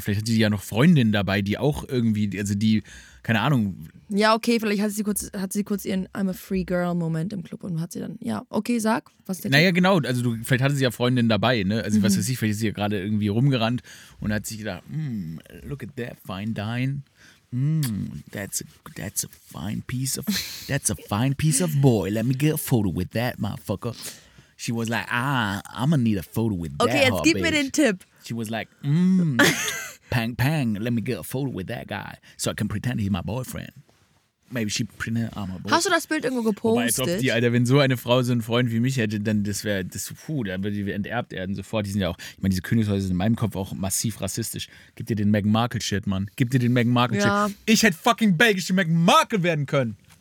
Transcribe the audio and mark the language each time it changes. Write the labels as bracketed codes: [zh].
[de] Vielleicht hatte sie ja noch Freundinnen dabei, die auch irgendwie, also die, keine Ahnung. Ja, okay, vielleicht hat sie kurz ihren [en] I'm a free girl [de] Moment im Club und hat sie dann, ja, okay, sag, was ist der Naja, Club? Genau, also du, vielleicht hatte sie ja Freundinnen dabei, ne? Also was weiß ich, vielleicht ist sie ja gerade irgendwie rumgerannt und hat sich gedacht, [en] look at that fine dine. That's a fine piece of boy. Let me get a photo with that motherfucker. She was like, I'm gonna need a photo with that. [de] Okay, jetzt gib mir den Tipp. [en] She was like, pang pang. Let me get a photo with that guy, so I can pretend he's my boyfriend. Maybe she pretended I'm a boy. [de] Hast du das Bild irgendwo gepostet? Wobei, die, Alter, wenn so eine Frau so einen Freund wie mich hätte, dann das wäre das. Puh, da würde die enterbt werden sofort. Die sind ja auch, ich meine, diese Königshäuser sind in meinem Kopf auch massiv rassistisch. Gib dir den Meghan Markle-Shit, Mann. Gib dir den Meghan Markle-Shit. Ja. Ich hätte fucking belgische Meghan Markle werden können.